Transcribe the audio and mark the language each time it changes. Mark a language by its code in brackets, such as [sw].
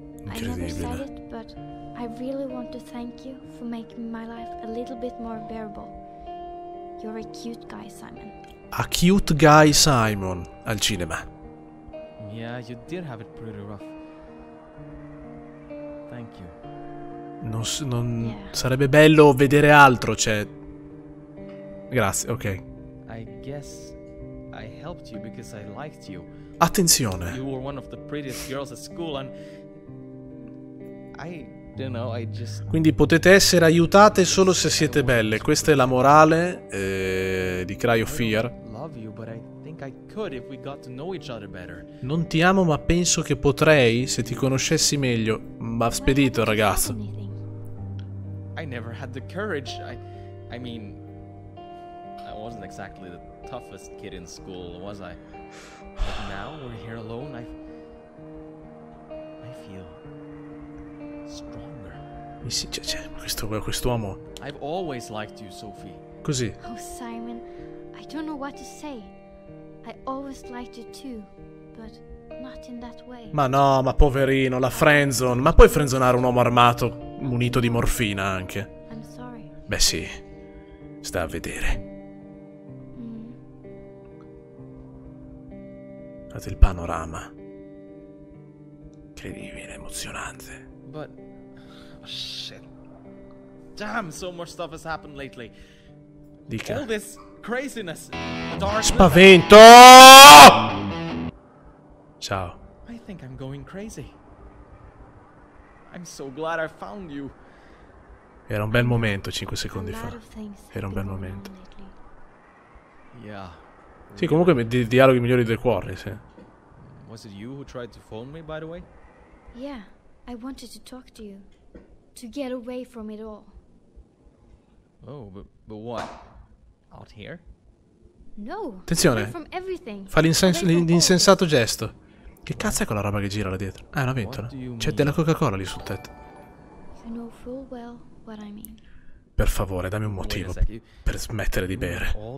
[en] I never said it, but I really want to thank you for making my life a little bit more bearable. You're a cute guy, Simon. A cute guy, Simon, [it] al cinema. [en] Yeah, you did have it pretty rough. Thank you. [it] Non sarebbe bello vedere altro, cioè. Grazie, ok. [en] I guess I helped you because I liked you. [it] Attenzione. [en] You were one of the prettiest girls at school and I don't know, I just. [it] Quindi potete essere aiutate solo se siete belle. Questa è la morale di Cry of Fear. [en] I love you, but I think I could if we got to know each other better. [it] Non ti amo, ma penso che potrei se ti conoscessi meglio. Ma spedito, ragazzo. [en] I never had the courage. I mean, I wasn't exactly the toughest kid in school, was I? But now we're here alone. I feel stronger. [it] Cioè, quest'uomo. [en] I've always liked you, Sophie. [it] Così. [en] Oh, Simon, I don't know what to say. I always liked you too, but not in that way. [it] Ma no, ma poverino, la friendzone. Ma puoi friendzonare un uomo armato, munito di morfina anche? [en] I'm sorry. [it] Beh sì, sta a vedere. Guardate il panorama. Incredibile, emozionante. [en] But... oh, shit. Damn, so much stuff has happened lately. [it] Dica. [en] All this craziness, darkness... [it] Spavento! Ciao. [en] I think I'm going crazy. I'm so glad I found you. [it] Era un bel momento 5 secondi fa. Era un bel momento. [en] Yeah. [it] Sì, comunque dialoghi migliori del cuore, sì. [en] Was it you who tried to phone me, by the way? Yeah, I wanted to talk to you. To get away from it all. Oh, but what? Out here? No. [it] Attenzione. [en] From everything. [it] Fa l'insensato gesto. Che cazzo è quella roba che gira là dietro? Ah, è una ventola. C'è della Coca-Cola lì sul tetto. [en] You know full well what I mean. [it] Per favore, dammi un motivo per smettere di bere.